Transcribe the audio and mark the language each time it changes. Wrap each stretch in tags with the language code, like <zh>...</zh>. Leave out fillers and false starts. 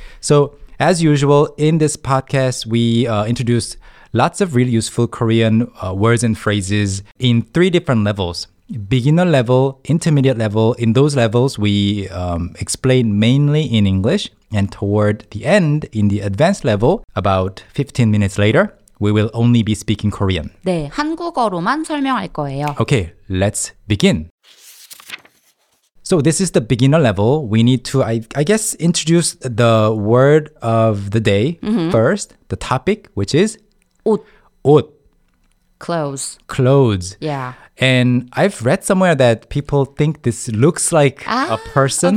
<en>So as usual, in this podcast, we introduce lots of really useful Korean words and phrases in three different levels. Beginner level, intermediate level. In those levels, we explain mainly in English. And toward the end, in the advanced level, about 15 minutes later, we will only be speaking Korean.</en> <ko>네, 한국어로만 설명할 거예요.</ko> <en>Okay, let's begin. So this is the beginner level. We need to, I guess, introduce the word of the day first. The topic, which is?</en> <ko>옷. 옷.</ko> <en>Clothes. Clothes. Yeah. And I've read somewhere that people think this looks like a person.</en>